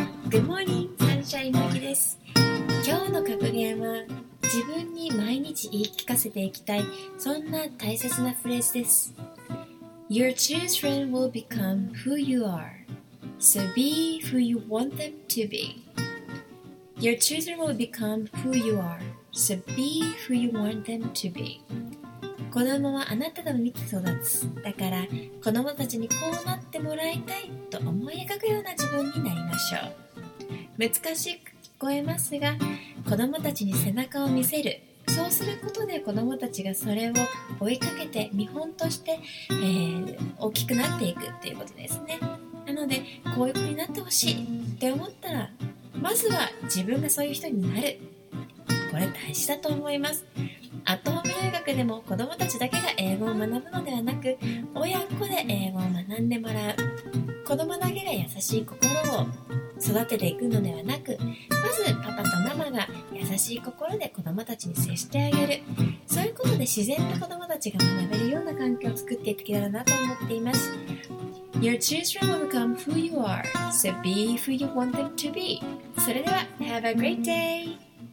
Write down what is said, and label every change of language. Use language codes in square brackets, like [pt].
[ja] グモーニングサンシャインマキです。今日の格言は自分に毎日言い聞かせていきたい、そんな大切なフレーズです。 [en] Your children will become who you are, so be who you want them to be. Your children will become who you are, so be who you want them to be. [ja] 子供はあなたの見て育つ。だから子供たちにこうなってもらいたいと思い描くような自分になりましょう。難しく聞こえますが、子供たちに背中を見せる。そうすることで子供たちがそれを追いかけて見本として、大きくなっていくっていうことですね。なのでこういう子になってほしいって思ったら、まずは自分がそういう人になる。これ大事だと思います。アットホーム留学でも子供たちだけが英語を学ぶのではなく、親子で英語を学んでもらう。子供だけが優しい心を育てていくのではなく、まずパパとママが優しい心で子供たちに接してあげる。そういうことで自然と子供たちが学べるような環境を作っていけたらなと思っています。 [en] Your children will become who you are, so be who you want them to be. [ja] それでは [en] Have a great day!